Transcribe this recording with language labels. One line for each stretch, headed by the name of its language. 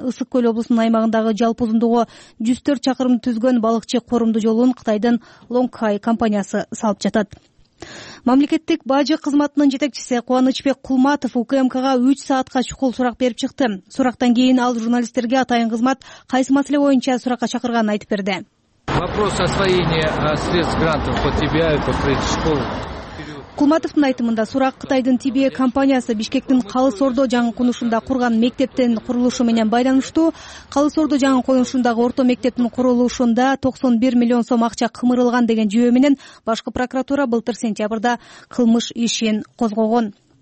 Kyrgyz: Ысык Көл облусунун аймагындагы жалпы узундугу 104 чакырымды түзгөн балыкчы корумду жолун Кытайдын Лонгхай компаниясы салып жатат. Мамлекеттик бажы кызматынын жетекчиси Кубанычбек Кулматов УКМКга 3 саатка чукул сурак берип чыкты. Суроктон кийин ал журналисттерге атайын кызмат кайсы маселе боюнча суракка чакырганын айтып берди.
Russian: Вопрос освоения средств грантов по ТБИ по строительству.
Kyrgyz: Кулматовдун айтымында сурак Кытайдын ТБИ компаниясы Бишкектин Калыс Ордо жаңы конушунда курган мектептин курулушу менен байланыштуу. Калыс Ордо жаңы конушундагы орто мектептин курулушунда 91 миллион сом акча кымырылган деген жүйө менен башкы прокуратура былтыр сентябрда кылмыш ишин козгогон.